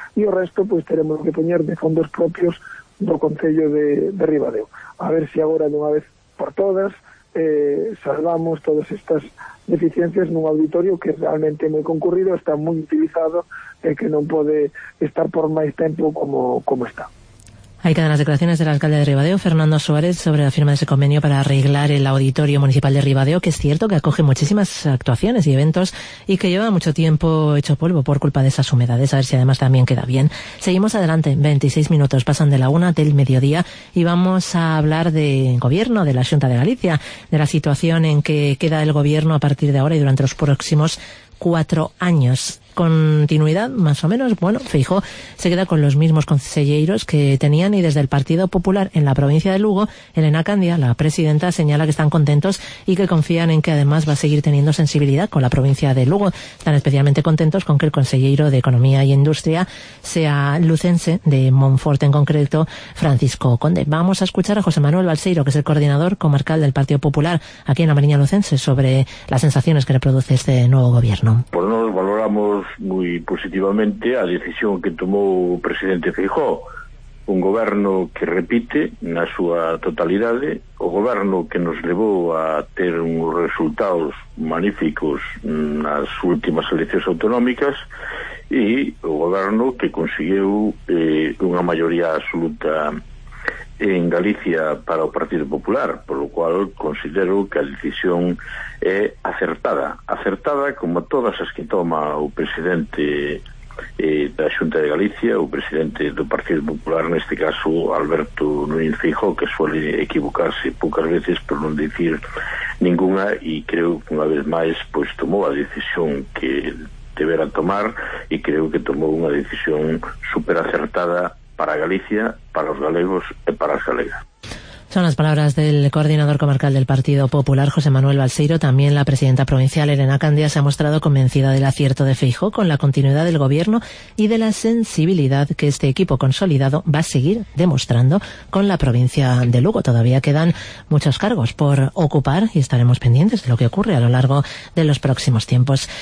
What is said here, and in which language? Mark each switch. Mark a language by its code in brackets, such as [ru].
[gl] E o resto, pues, teremos que poñer de fondos propios do Concello de Ribadeo. A ver si agora, de unha vez por todas, salvamos todas estas deficiencias nun auditorio que realmente moi concurrido, está moi utilizado e que non pode estar por máis tempo como está. [es] Hay cadenas de declaraciones del alcalde de Ribadeo, Fernando Suárez, sobre la firma de ese convenio para arreglar el auditorio municipal de Ribadeo, que es cierto que acoge muchísimas actuaciones y eventos y que lleva mucho tiempo hecho polvo por culpa de esas humedades, a ver si además también queda bien. Seguimos adelante, 26 minutos pasan de la una del mediodía y vamos a hablar de gobierno, de la Xunta de Galicia, de la situación en que queda el gobierno a partir de ahora y durante los próximos 4 años. Continuidad, más o menos, bueno, Feijóo se queda con los mismos consejeros que tenían y desde el Partido Popular en la provincia de Lugo, Elena Candia, la presidenta, señala que están contentos y que confían en que además va a seguir teniendo sensibilidad con la provincia de Lugo. Están especialmente contentos con que el consejero de Economía y Industria sea lucense, de Monforte en concreto, Francisco Conde. Vamos a escuchar a José Manuel Balseiro, que es el coordinador comarcal del Partido Popular aquí en la Mariña Lucense, sobre las sensaciones que le produce este nuevo gobierno. [gl] Pues nos valoramos muy positivamente a decisión que tomou o presidente Feijóo, un goberno que repite na súa totalidade, o goberno que nos levou a ter uns resultados magníficos nas últimas eleccións autonómicas e o goberno que conseguiu unha maioría absoluta en Galicia para o Partido Popular, [es] por lo cual [gl] considero que a decisión é acertada. Acertada como todas as que toma o presidente da Xunta de Galicia, o presidente do Partido Popular, neste caso Alberto Núñez Feijóo, que suele equivocarse poucas veces, por non dicir ninguna, e creo que unha vez máis pois tomou a decisión que debera tomar, e creo que tomou unha decisión super acertada para Galicia, para os galegos e para as galegas. [es] Son las palabras del coordinador comarcal del Partido Popular, José Manuel Balseiro. También la presidenta provincial, Elena Candia, se ha mostrado convencida del acierto de Feijóo con la continuidad del gobierno y de la sensibilidad que este equipo consolidado va a seguir demostrando con la provincia de Lugo. Todavía quedan muchos cargos por ocupar y estaremos pendientes de lo que ocurre a lo largo de los próximos tiempos.